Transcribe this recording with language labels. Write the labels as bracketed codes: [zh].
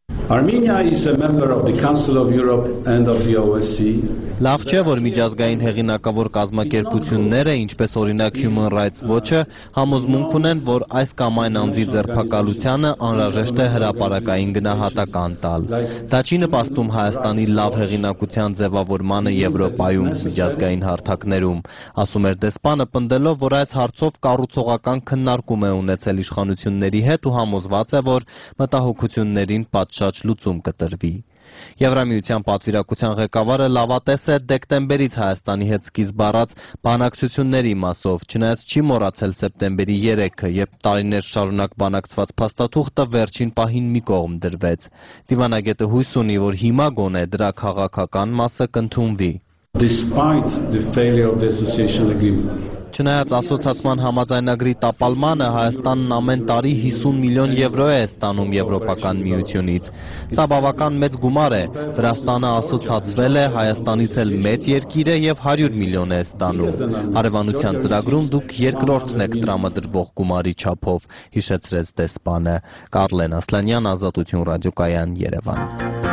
[en] Armenia is a member of the Council of Europe and of the OSCE. [hy] Լավ չէ, որ միջազգային հեղինակավոր կազմակերպությունները, ինչպես օրինակ Human Rights Watch-ը, համոզմունք ունեն, որ այս կամ այն անձի ձերբակալությունը անհրաժեշտ է հրապարակային գնահատական տալ։ Դա չի նպաստում Հայաստանի լավ հեղինակության ձևավորմանը Եվրոպայում միջազգային հարթակներում, ասում էր դեսպանը, պնդելով, որ այս հարցով կառուցողական քննարկում է ունեցել իշխանությունների հետ ու համոզված է, որ մտահոգություններին պատշաճ լուծում կտրվի։ Եվրամիության պատվիրակության ղեկավարը լավատես է դեկտեմբերից Հայաստանի հետ սկիզբ առած բանակցությունների մասով, չնայած չի մոռացել սեպտեմբերի 3-ը, երբ տարիներ շարունակ բանակցված փաստաթուղթը վերջին պահին մի կողմ դրվեց։ Դիվանագետը հույս ունի, որ հիմա գոնե դրա քաղաքական մասը կընդունվի։ [en] Despite the failure of the association agreement. [hy] Չնայած ասոցացման համաձայնագրի տապալմանը, Հայաստանն ամեն տարի 50 միլիոն եվրո է ստանում Եվրոպական միությունից։ Սա բավական մեծ գումար է։ Վրաստանը ասոցացվել է, Հայաստանից էլ մեծ երկիր է եւ 100 միլիոն է ստանում։ Հարևանության ծրագրում դուք երկրորդն եք տրամադրվող գումարի չափով, հիշեցրեց դեսպանը։ Կարլեն Ասլանյան, Ազատություն ռադիոկայան, Երևան։